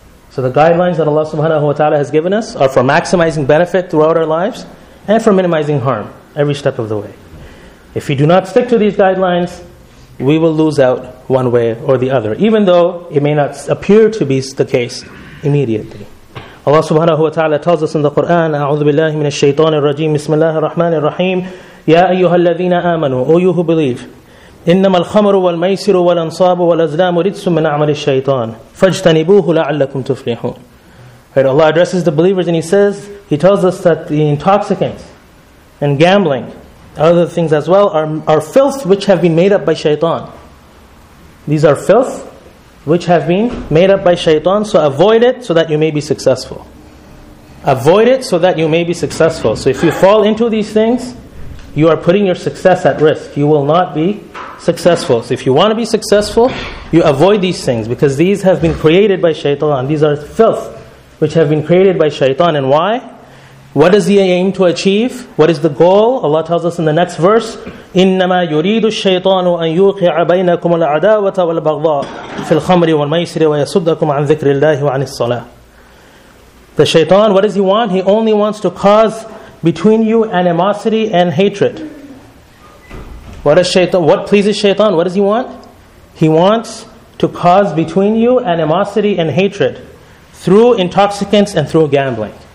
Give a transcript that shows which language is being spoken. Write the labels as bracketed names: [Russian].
[English] So the guidelines that Allah subhanahu wa ta'ala has given us are for maximizing benefit throughout our lives and for minimizing harm every step of the way. If we do not stick to these guidelines, we will lose out one way or the other, even though it may not appear to be the case immediately. Allah subhanahu wa ta'ala tells us in the Quran, [Arabic] أعوذ بالله من الشيطان الرجيم بسم الله الرحمن الرحيم يا أيها الذين آمنوا [English] O you who believe [Arabic] إنما الخمر والميسر والأنصاب والأزلام رجس من أعمال الشيطان فاجتنبوه لعلكم تفلحون. [English] Right, Allah addresses the believers and He tells us that the intoxicants and gambling, other things as well, are filth which have been made up by shaitan. These are filth which have been made up by shaitan, so avoid it so that you may be successful. Avoid it so that you may be successful. So if you fall into these things, you are putting your success at risk. You will not be successful. So if you want to be successful, you avoid these things, because these have been created by shaitan. These are filth which have been created by shaitan. And why? What is the aim to achieve? What is the goal? Allah tells us in the next verse, [Arabic] إِنَّمَا يُرِيدُ الشَّيْطَانُ أَن يُوقِعَ بَيْنَكُمُ الْعَدَاوَةَ وَالْبَغْضَاءَ فِي الْخَمْرِ وَالْمَيْسِرِ وَيَسُدَّكُمْ عَن ذِكْرِ اللَّهِ وَعَنِ الصَّلَاةِ. [English] The shaitan, what does he want? He only wants to cause between you animosity and hatred. What pleases shaitan? What does he want? He wants to cause between you animosity and hatred through intoxicants and through gambling.